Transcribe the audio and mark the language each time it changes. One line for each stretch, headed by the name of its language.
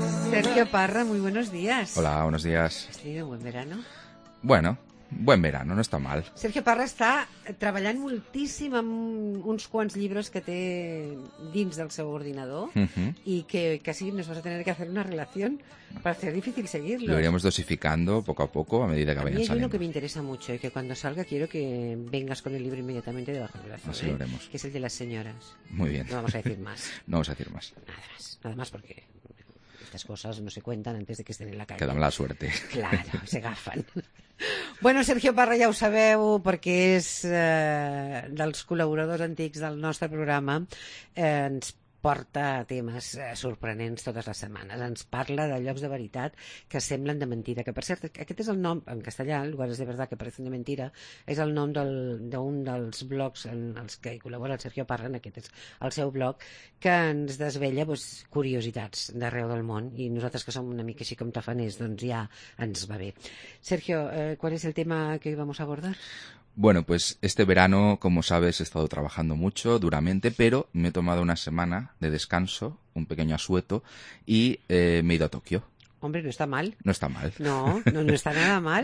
Spanish: Sergio Parra, muy buenos días. Hola, buenos días. ¿Has tenido un buen verano? Bueno, buen verano, no está mal.
Catalan: Sergio Parra està treballant moltíssim amb uns quants llibres que té dins del seu ordinador i que quasi
Spanish: nos vas a tener que hacer una relación para ser difícil seguirlo. Lo iremos dosificando poco a poco a medida que vayan saliendo. A mí hay uno que me interesa mucho y que cuando salga quiero que vengas con el libro inmediatamente debajo del brazo. Así lo haremos. Que es el de las señoras. Muy bien. No vamos a decir más. No vamos a decir más. Nada más. Nada más porque estas cosas no se cuentan antes de que estén en la calle. Que dan la suerte. Claro, se gafan.
Catalan: Bueno, Sergio Parra, ja ho sabeu, perquè és dels col·laboradors antics del nostre programa, ens porta temes sorprenents totes les setmanes. Ens parla de llocs de veritat que semblen de mentira. Que, per cert, aquest és el nom, en castellà, Lugares de Verdad que parecen de mentira, és el nom d'un dels blogs en els que col·labora el Sergio Parra, en aquest és el seu blog, que ens desvella pues, curiositats d'arreu del món. I nosaltres, que som una mica així com tafaners, doncs ja ens va bé.
Spanish: Sergio, ¿cuál es el tema que hoy vamos a abordar? Bueno, pues este verano, como sabes, he estado trabajando mucho, duramente, pero me he tomado una semana de descanso, un pequeño asueto, y me he ido a Tokio. Hombre, no está mal. No está mal. No está nada mal.